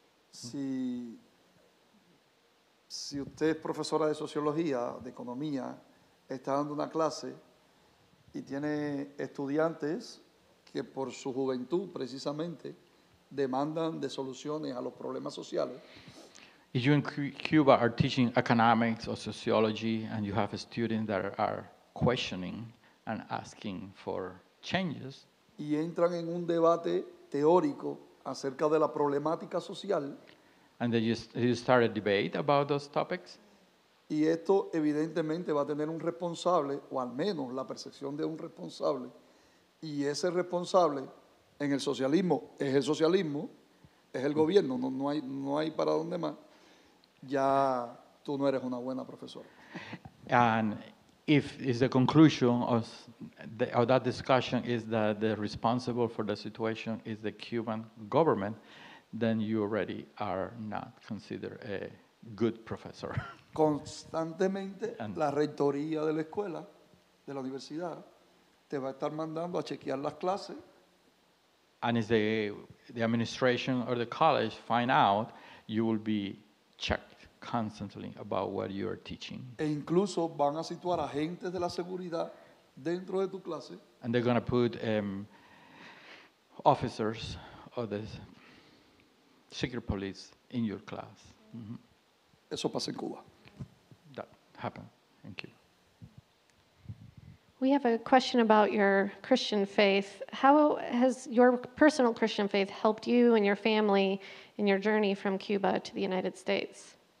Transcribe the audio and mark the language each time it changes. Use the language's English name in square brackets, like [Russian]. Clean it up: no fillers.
[Spanish] Si usted es profesora de sociología, de economía, está dando una clase y tiene estudiantes que por su juventud, precisamente, demandan de soluciones a los problemas sociales. [English] If you in Cuba are teaching economics or sociology and you have students that are questioning and asking for changes, [Spanish] y entran en un debate teórico acerca de la problemática social. [English] And then you start a debate about those topics. [Spanish] Y esto evidentemente va a tener un responsable, o al menos la percepción de un responsable. Y ese responsable en el socialismo es el socialismo, es el gobierno, no hay para dónde más. Ya tú no eres una buena profesora. [English] And if is the conclusion of that discussion is that the responsible for the situation is the Cuban government, then you already are not considered a good professor. [Spanish] Constantemente, and la rectoría de la escuela, de la universidad, te va a estar mandando a chequear las clases. [English] And if the administration or the college find out, you will be checked constantly about what you are teaching. [Spanish] E incluso van a situar agentes de la seguridad dentro de tu clase. [English] And they're going to put officers or the secret police in your class. Mm-hmm. [Spanish] Eso pasa en Cuba. [English] That happened in Cuba. We have a question about your Christian faith. How has your personal Christian faith helped you and your family in your journey from Cuba to the United States?